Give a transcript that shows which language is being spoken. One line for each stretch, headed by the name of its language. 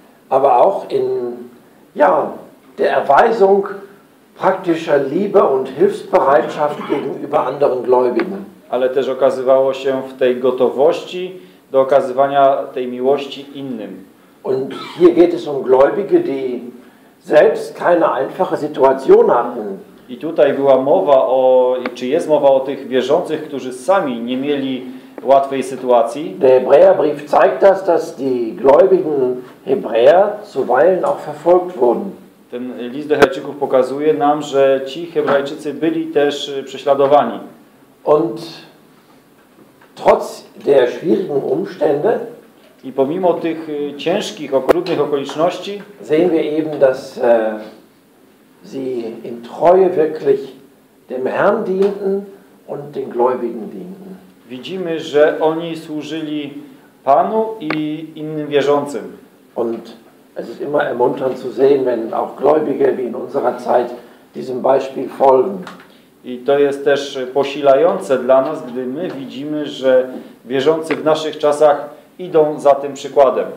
German: aber auch in ja, der Erweisung praktischer Liebe und Hilfsbereitschaft gegenüber anderen Gläubigen.
Polish: Ale też okazywało się w tej gotowości do okazywania tej miłości innym.
German: Und hier geht es um Gläubige, die selbst keine einfache Situation hatten.
Polish: I tutaj była mowa o, czy jest mowa o tych wierzących, którzy sami nie mieli łatwej sytuacji.
German: Der Hebräerbrief zeigt das, dass die gläubigen Hebräer zuweilen auch verfolgt wurden.
Polish: Ten list do Hebrajczyków pokazuje nam, że ci Hebrajczycy byli też prześladowani.
German: Und trotz der schwierigen Umstände,
Polish: i pomimo tych ciężkich, okrutnych okoliczności,
German: sehen wir eben, dass sie in Treue wirklich dem Herrn dienten und den Gläubigen dienten.
Polish: Widzimy, że oni służyli Panu i innym wierzącym.
German: Und es ist immer ermunternd zu sehen, wenn auch Gläubige wie in unserer Zeit diesem Beispiel folgen.
Polish: I to jest też posilające dla nas, gdy my widzimy, że wierzący w naszych czasach idą za tym przykładem.